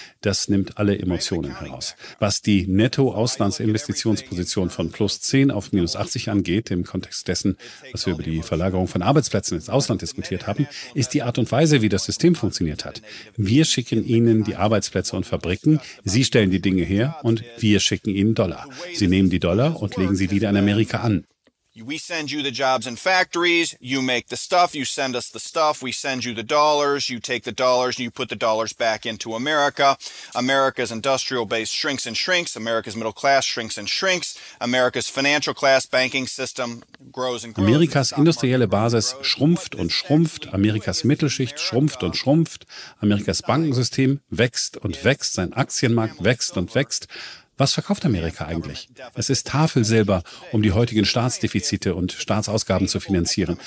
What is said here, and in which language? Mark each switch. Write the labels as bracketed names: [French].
[German] Das nimmt alle Emotionen heraus. Was die Netto-Auslandsinvestitionsposition von plus 10 auf minus 80 angeht, im Kontext dessen, was wir über die Verlagerung von Arbeitsplätzen ins Ausland diskutiert haben, ist die Art und Weise, wie das System funktioniert hat. Wir schicken Ihnen die Arbeitsplätze und Fabriken, Sie stellen die Dinge her und wir schicken Ihnen Dollar. Sie nehmen die Dollar und legen sie wieder in Amerika an. [English] We send you the jobs and factories, you make the stuff, you send us the stuff, we send you the dollars, you take the dollars and you put the dollars back into America. America's industrial base shrinks and shrinks, America's middle class shrinks and shrinks, America's financial class banking system grows and grows. [German] Amerikas industrielle Basis schrumpft und schrumpft, Amerikas Mittelschicht schrumpft und schrumpft, Amerikas Bankensystem wächst und wächst, sein Aktienmarkt wächst und wächst. Was verkauft Amerika eigentlich? Es ist Tafelsilber, um die heutigen Staatsdefizite und Staatsausgaben zu finanzieren.